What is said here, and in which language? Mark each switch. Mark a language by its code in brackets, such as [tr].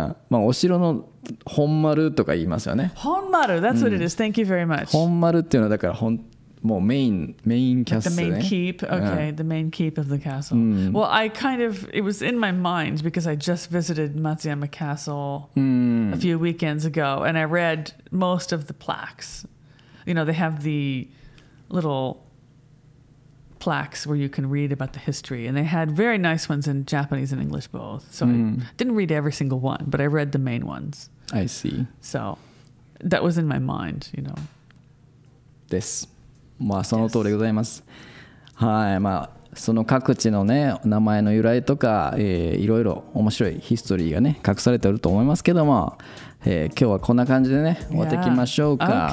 [ja] まあお城の本丸とか言いますよね。 [en] 本丸、that's what it is. Thank you very much. [ja] 本丸っていうのはだから本もうメインキャストね。 [en] The main keep, okay,、yeah. the main keep of the castle.、Mm. Well, I kind of, it was in my mind because I just visited Matsuyama Castle、a few weekends ago and I read most of the plaques. You know, they have the little plaques where you can read about the history and they had very nice ones in Japanese and English both. So、I didn't read every single one, but I read the main ones. I see. So that was in my mind, you know. This. [ja] まあその通りでございます、yes. はい、まあその各地のね名前の由来とか、いろいろ面白いヒストリーがね隠されていると思いますけども、今日はこんな感じでね、 yeah. 終わっていきましょうか。